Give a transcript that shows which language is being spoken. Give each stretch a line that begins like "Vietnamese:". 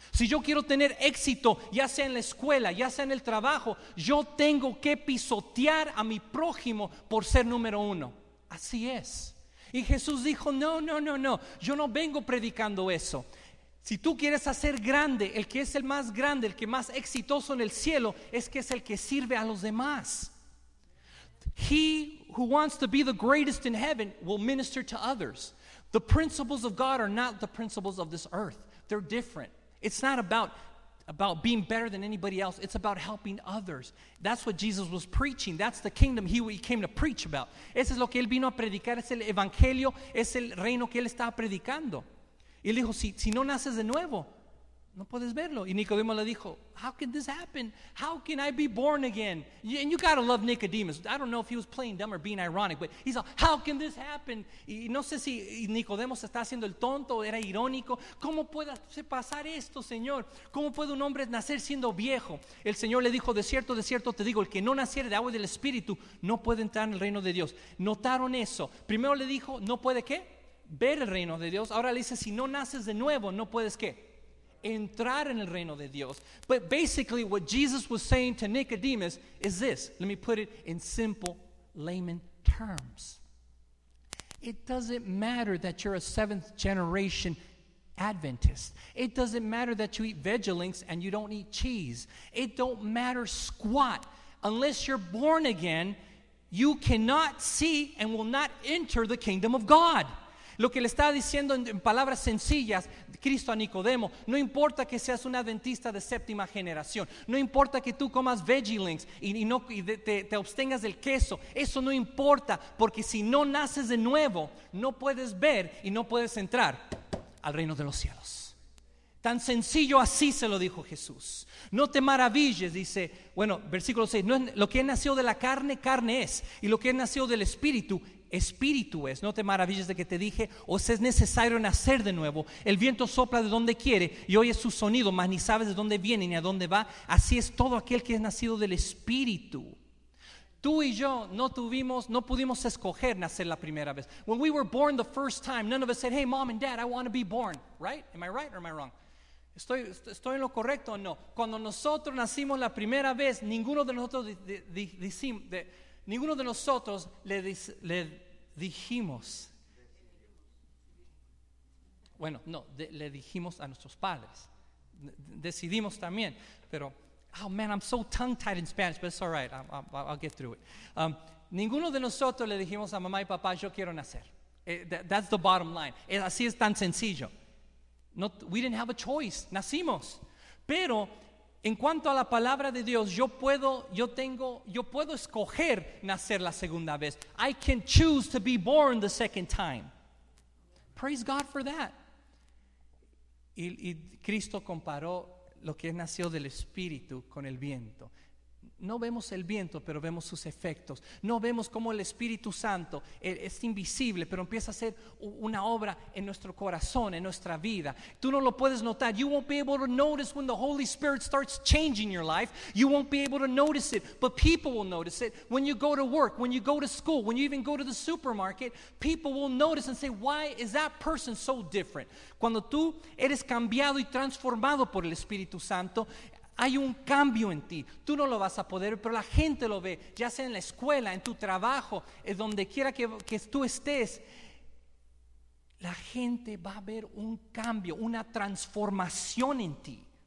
Spanish: Si yo quiero tener éxito, ya sea en la escuela, ya sea en el trabajo, yo tengo que pisotear a mi prójimo por ser número uno. Así es. Y Jesús dijo, no, yo no vengo predicando eso. Si tú quieres hacer grande, el que es el más grande, el que más exitoso en el cielo, es que es el que sirve a los demás.
English: He who wants to be the greatest in heaven will minister to others. The principles of God are not the principles of this earth. They're different. It's not about being better than anybody else. It's about helping others. That's what Jesus was preaching. That's the kingdom he came to preach about.
Spanish: Ese es lo que él vino a predicar. Es el evangelio. Es el reino que él estaba predicando. Y él dijo, si no naces de nuevo, no puedes verlo. Y Nicodemo le dijo,
English: how can this happen? How can I be born again? And you got to love Nicodemus. I don't know if he was playing dumb or being ironic, but he's like, how can this happen?
Spanish: Y no sé si Nicodemo se está haciendo el tonto, era irónico. ¿Cómo puede pasar esto, Señor? ¿Cómo puede un hombre nacer siendo viejo? El Señor le dijo, de cierto te digo, el que no naciere de agua y del espíritu no puede entrar en el reino de Dios. Notaron eso. Primero le dijo, ¿no puede qué? Ver el reino de Dios. Ahora le dice, si no naces de nuevo, no puedes qué? Entrar en el reino de Dios.
English: But basically what Jesus was saying to Nicodemus is this. Let me put it in simple layman terms. It doesn't matter that you're a seventh generation Adventist. It doesn't matter that you eat Vegalinks and you don't eat cheese. It don't matter squat. Unless you're born again, you cannot see and will not enter the kingdom of God.
Spanish: Lo que le está diciendo en palabras sencillas, Cristo a Nicodemo, no importa que seas un adventista de séptima generación, no importa que tú comas veggie links y te abstengas del queso, eso no importa, porque si no naces de nuevo, no puedes ver y no puedes entrar al reino de los cielos. Tan sencillo así se lo dijo Jesús. No te maravilles, dice, bueno, versículo 6, no, lo que es nacido de la carne, carne es, y lo que es nacido del espíritu, espíritu es. No te maravilles de que te dije, os es necesario nacer de nuevo. El viento sopla de donde quiere y oyes su sonido, mas ni sabes de dónde viene ni a dónde va. Así es todo aquel que es nacido del espíritu. Tú y yo no pudimos escoger nacer la primera vez.
English: When we were born the first time, none of us said, hey mom and dad, I want to be born, right? Am I right or am I wrong?
Spanish: ¿Estoy en lo correcto o no? Cuando nosotros nacimos la primera vez, ninguno de nosotros le dijimos a nuestros padres. Decidimos también, pero,
English: oh man, I'm so tongue-tied in Spanish, but it's all right, I'll get through it.
Spanish: Ninguno de nosotros le dijimos a mamá y papá, yo quiero nacer.
English: That's the bottom line.
Spanish: Así es tan sencillo.
English: We didn't have a choice.
Spanish: Nacimos. Pero En cuanto a la palabra de Dios, yo puedo escoger nacer la segunda vez.
English: I can choose to be born the second time. Praise God for that.
Spanish: Y Cristo comparó lo que es nacido del Espíritu con el viento. No vemos el viento, pero vemos sus efectos. No vemos cómo el Espíritu Santo es invisible, pero empieza a hacer una obra en nuestro corazón, en nuestra vida. Tú no lo puedes notar.
English: You won't be able to notice when the Holy Spirit starts changing your life. You won't be able to notice it, but people will notice it. When you go to work, when you go to school, when you even go to the supermarket, people will notice and say, why is that person so different?
Spanish: Cuando tú eres cambiado y transformado por el Espíritu Santo, hay un cambio en ti. Tú no lo vas a poder, pero la gente lo ve, ya sea en la escuela, en tu trabajo, donde quiera que tú estés. La gente va a ver un cambio, una transformación en ti.